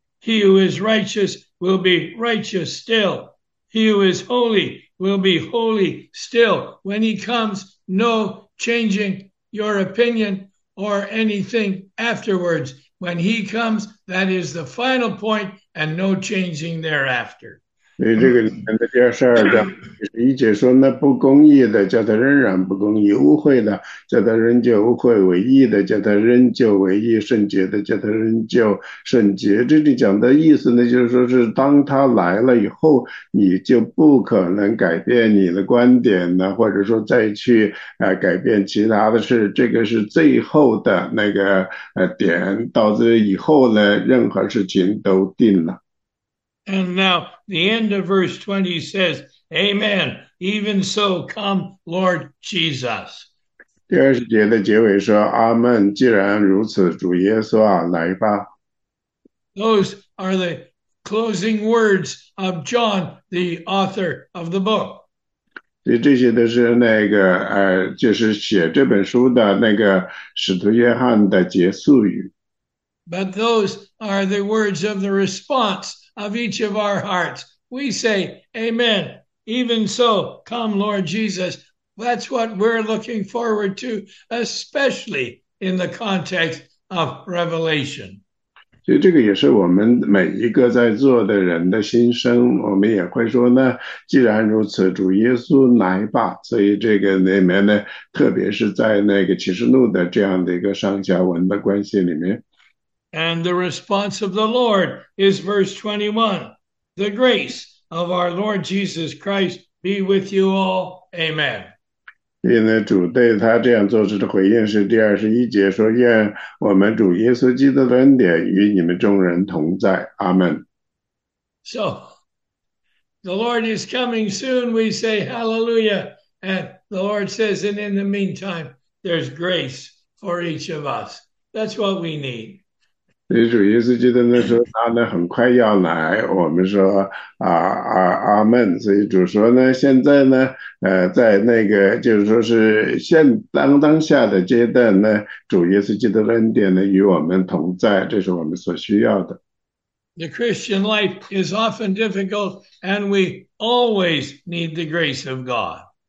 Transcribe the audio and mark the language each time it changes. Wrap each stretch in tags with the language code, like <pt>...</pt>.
<en>He who is righteous will be righteous still. He who is holy will be holy still. When he comes, no changing your opinion. Or anything afterwards. When he comes, that is the final point, and no changing thereafter.</en> <zh>所以这个里面的第12章第11节说：“那不公义的，叫他仍然不公义；污秽的，叫他仍旧污秽；为义的，叫他仍旧为义；圣洁的，叫他仍旧圣洁。” 这里讲的意思呢，就是说是当他来了以后，你就不可能改变你的观点呢，或者说再去改变其他的事。这个是最后的那个点，到这以后呢，任何事情都定了。</zh> <en>And now the end of verse 20 says, Amen. Even so, come, Lord Jesus.</en> <zh>第20节的结尾说：“阿门，既然如此，主耶稣啊，来吧。</zh> <en>Those are the closing words of John, the author of the book.</en> <zh>”所以这些都是那个就是写这本书的那个使徒约翰的结束语。</zh> <en>But those are the words of the response of each of our hearts. We say, Amen. Even so, come, Lord Jesus. That's what we're looking forward to, especially in the context of Revelation.</en> <zh>所以这个也是我们每一个在座的人的心声，我们也会说呢，既然如此，主耶稣来吧。所以这个里面呢，特别是在那个启示录的这样的一个上下文的关系里面。</zh> <en>And the response of the Lord is verse 21. The grace of our Lord Jesus Christ be with you all. Amen.</en> <zh>所以呢，主对他这样做事的回应是第21节说：“愿我们主耶稣基督的恩典与你们众人同在。” 阿门。</zh> <en>So, the Lord is coming soon. We say hallelujah. And The Lord says, and in the meantime, there's grace for each of us. That's what we need.</en> <zh>所以主耶稣基督那时候他呢很快要来，我们说啊，阿门。所以主说呢，现在呢，在那个就是说是现当当下的阶段呢，主耶稣基督的恩典呢与我们同在，这是我们所需要的。</zh> <en>The Christian life is often difficult, and we always need the grace of God.</en>